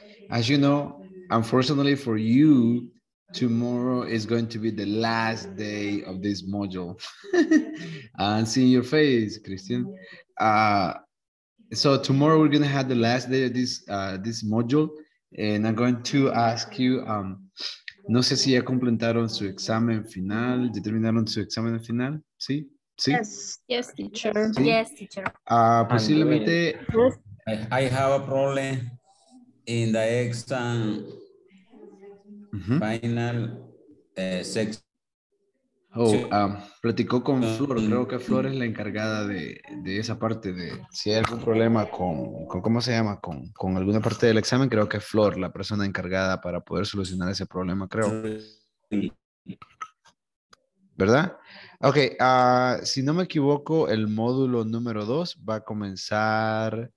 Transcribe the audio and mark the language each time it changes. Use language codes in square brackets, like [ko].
[en] As you know, unfortunately for you, tomorrow is going to be the last day of this module. And seeing your face, Christian. So tomorrow we're gonna have the last day of this module, and I'm going to ask you. [es] No sé si ya completaron su examen final. ¿Determinaron su examen final? Sí. ¿Sí? [en] Yes, teacher. ¿Sí? Yes, teacher. [es] Posiblemente. [en] I have a problem in the exam final section. [es] Platicó con Flor. Creo que Flor es la encargada de esa parte. De si hay algún problema con ¿cómo se llama? Con alguna parte del examen, creo que es Flor la persona encargada para poder solucionar ese problema, creo. ¿Verdad? Ok, si no me equivoco, el módulo número 2 va a comenzar.